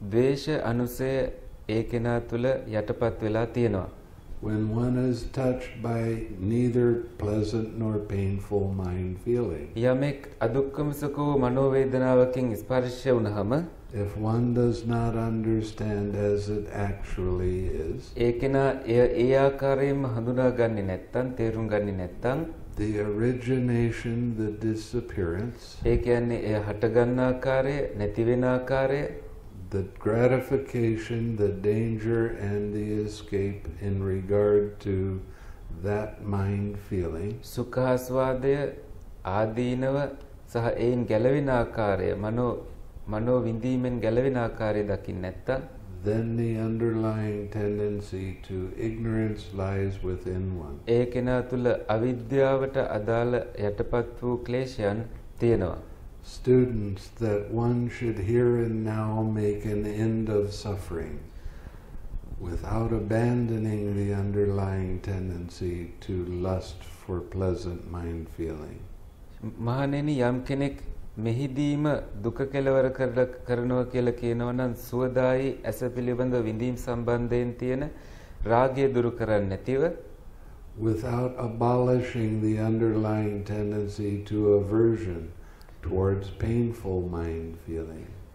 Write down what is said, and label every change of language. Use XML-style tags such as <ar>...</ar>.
<si>ද්වේෂ අනුසය ඒකෙනා තුල යටපත් වෙලා තියෙනවා.</si> <en>When one is touched by neither pleasant nor painful mind feeling.</en> <si>යමෙක් අදුක්කම සුඛ මනෝවේදනාවකින් ස්පර්ශ වුනහම</si> <en>if one does not understand as it actually is.</en> <si>ඒකෙනා ඒ ආකාරයෙන්ම හඳුනාගන්නේ නැත්තම් තේරුම් ගන්නේ නැත්තම්</si> <en>the origination, the disappearance.</en> <si>ඒ කියන්නේ එය හටගන්න ආකාරය, නැති වෙන ආකාරය.</si> <en>The gratification, the danger, and the escape in regard to that mind feeling.</en> <si>සුඛාස්වාදය, ආදීනව සහ එයින් ගැලවෙන ආකාරය, මනෝ විඳීමෙන් ගැලවෙන ආකාරය දකින්න නැත්තම්</si> <en>then the underlying tendency to ignorance lies within one.</en> <si>ඒකෙනා තුල අවිද්‍යාවට අදාළ යටපත් වූ ක්ලේශයන් තියෙනවා.</si> <en>Students that one should here and now make an end of suffering without abandoning the underlying tendency to lust for pleasant mind feeling.</en> <si>මහණෙනි යම් කෙනෙක් මෙහිදීම දුක කෙලවර කරනවා කියලා කියනවනම් සුවදායි ඇස පිළිබඳ විඳීම් සම්බන්ධයෙන් තියෙන රාගය දුරු කරන්නේ නැතිව</si> <en>without abolishing the underlying tendency to aversion towards painful mind feeling.</en>